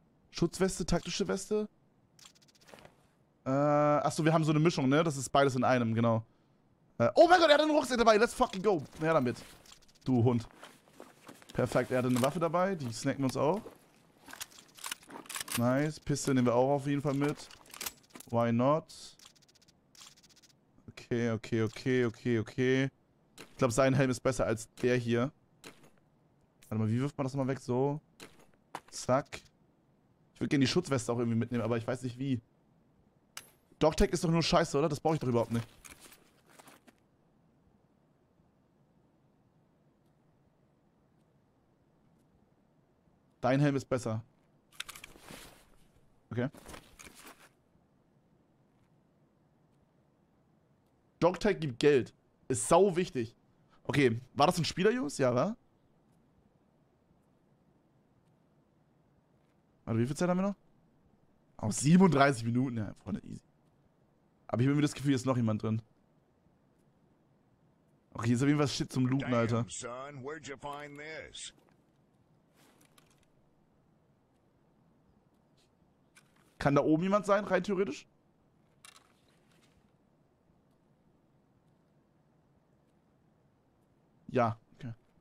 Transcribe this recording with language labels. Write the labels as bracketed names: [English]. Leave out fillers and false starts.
[German] Schutzweste, taktische Weste? Achso, wir haben so eine Mischung, ne? Das ist beides in einem, genau. Oh mein Gott, er hat einen Rucksack dabei. [English] Let's fucking go. [German] Her damit. Du Hund. Perfekt, er hat eine Waffe dabei. Die snacken uns auch. Nice. Piste nehmen wir auch auf jeden Fall mit. [English] Why not? Okay, okay, okay, okay, okay. [German] Ich glaube, sein Helm ist besser als der hier. Warte mal, wie wirft man das nochmal weg? So. Zack. Ich würde gerne die Schutzweste auch irgendwie mitnehmen, aber ich weiß nicht wie. Dogtag ist doch nur scheiße, oder? Das brauche ich doch überhaupt nicht. Dein Helm ist besser. Okay. Dogtag gibt Geld. Ist sau wichtig. Okay, war das ein Spieler, Jungs? Ja, wa? Warte, wie viel Zeit haben wir noch? Oh, 37 Minuten. Ja, Freunde, easy. Aber ich habe mir das Gefühl, hier ist noch jemand drin. Okay, hier ist auf jeden Fall Shit zum Looten, Alter. [English] Damn, son, where'd you find this? [German] Kann da oben jemand sein, rein theoretisch? Ja, okay.